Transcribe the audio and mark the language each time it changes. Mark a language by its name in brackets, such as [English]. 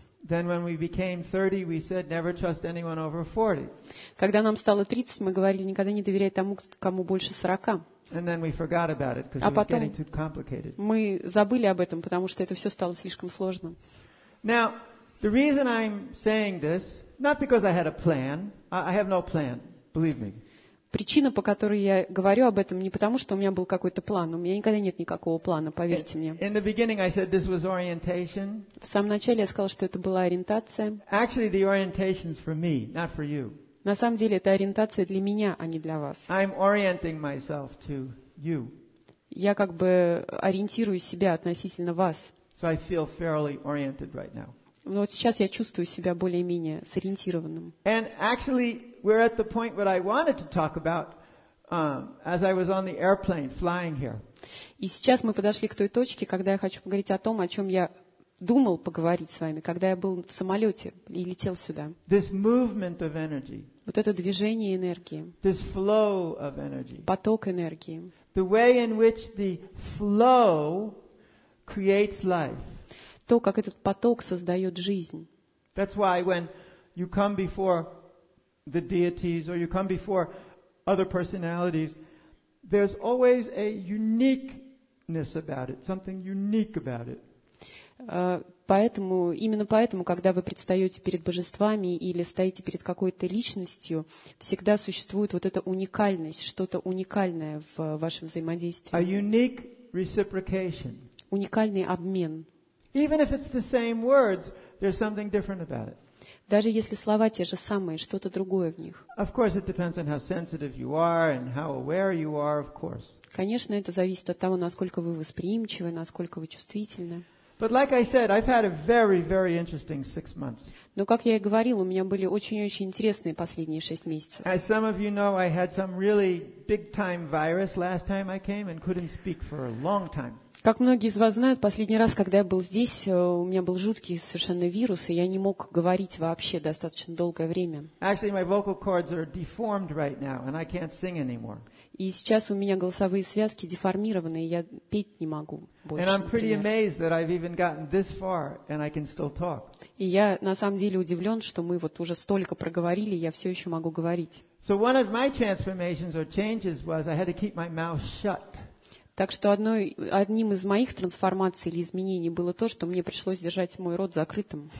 [English] Then when we became 30, we said, never trust anyone over 40. [Russian] Когда нам стало 30, мы говорили, никогда не доверяй тому, кому больше 40. [English] And then we forgot about it because it was getting too complicated. [Russian] Мы забыли об этом, потому что это все стало слишком сложным. [English] Now, the reason I'm saying this, not because I had a plan. I have no plan, believe me. [Russian] Причина, по которой я говорю об этом, не потому, что у меня был какой-то план. У меня никогда нет никакого плана, поверьте мне. [English] In the beginning I said this was orientation. [Russian] В самом начале я сказала, что это была ориентация. [English] Actually, the orientation's for me, not for you. [Russian] На самом деле, это ориентация для меня, а не для вас. [English] I'm orienting myself to you. [Russian] Я как бы ориентирую себя относительно вас. [English] So I feel fairly oriented right now. [Russian] Но вот сейчас я чувствую себя более-менее сориентированным. [English] And actually, we're at the point what I wanted to talk about as I was on the airplane flying here. [Russian] И сейчас мы подошли к той точке, когда я хочу поговорить о том, о чем я думал поговорить с вами, когда я был в самолете и летел сюда. [English] This movement of energy. [Russian] Вот это движение энергии. [English] This flow of energy. [Russian] Поток энергии. [English] The way in which the flow creates life. [Russian] То, как этот поток создает жизнь. [English] That's why when you come before the deities or you come before other personalities, there's always a uniqueness about it, something unique about it. [Russian] Поэтому, именно поэтому, когда вы предстаете перед божествами или стоите перед какой-то личностью, всегда существует вот эта уникальность, что-то уникальное в вашем взаимодействии. [English] A unique reciprocation. [Russian] Уникальный обмен. [English] Even if it's the same words, there's something different about it. [Russian] Даже если слова те же самые, что-то другое в них. [English] Of course, it depends on how sensitive you are and how aware you are, of course. [Russian] Конечно, это зависит от того, насколько вы восприимчивы, насколько вы чувствительны. [English] But like I said, I've had a very, very interesting 6 months. [Russian] Но как я и говорил, у меня были очень-очень интересные последние 6 месяцев. [English] As some of you know, I had some really big-time virus last time I came and couldn't speak for a long time. [Russian] Как многие из вас знают, последний раз, когда я был здесь, у меня был жуткий совершенно вирус, и я не мог говорить вообще достаточно долгое время. [English] Actually, my vocal cords are deformed right now, and I can't sing anymore. [Russian] И сейчас у меня голосовые связки деформированы, и я петь не могу больше. [English] And I'm pretty amazed that I've even gotten this far, and I can still talk. [Russian] И я на самом деле удивлен, что мы вот уже столько проговорили, и я все еще могу говорить. [English] So one of my transformations or changes was I had to keep my mouth shut. [Russian] Так что одним из моих трансформаций или изменений было то, что мне пришлось держать мой рот закрытым.